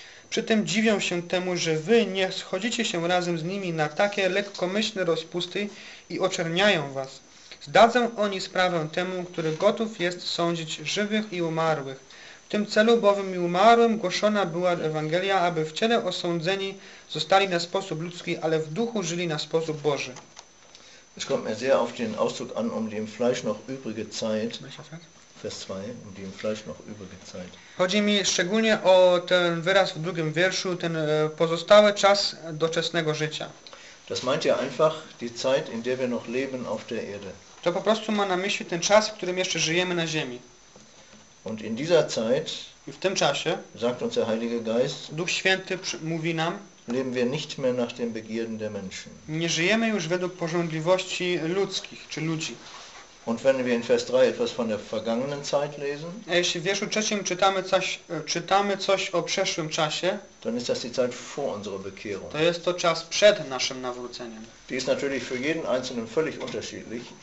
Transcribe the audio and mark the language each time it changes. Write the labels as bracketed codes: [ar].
[pl] Przy tym dziwią się temu, że wy nie schodzicie się razem z nimi na takie lekkomyślne rozpusty i oczerniają was. Zdadzą oni sprawę temu, który gotów jest sądzić żywych i umarłych. W tym celu bowiem i umarłym głoszona była Ewangelia, aby w ciele osądzeni zostali na sposób ludzki, ale w duchu żyli na sposób Boży. [de] Es kommt mir sehr auf den Ausdruck an, um dem Fleisch noch übrige Zeit. Vers 2, um dem Fleisch noch übrige Zeit. [pl] Chodzi mi szczególnie o ten wyraz w drugim wierszu, ten pozostały czas doczesnego życia. [de] Das meint ja einfach die Zeit, in der wir noch leben auf der Erde. [pl] To po prostu ma na myśli ten czas, w którym jeszcze żyjemy na ziemi. [de] Und in dieser Zeit, [pl] i w tym czasie, [de] sagt uns der Heilige Geist, [pl] Duch Święty mówi nam, [de] leben wir nicht mehr nach den Begierden der Menschen. [pl] Nie żyjemy już według pożądliwości ludzkich czy ludzi. [de] Und wenn wir in Vers 3 etwas von der vergangenen Zeit lesen, [pl] a jeśli w wierszu trzecim czytamy coś o przeszłym czasie, [de] dann ist das die Zeit vor unserer Bekehrung. [pl] To jest to czas przed naszym nawróceniem. [de] Die ist natürlich für jeden Einzelnen völlig unterschiedlich.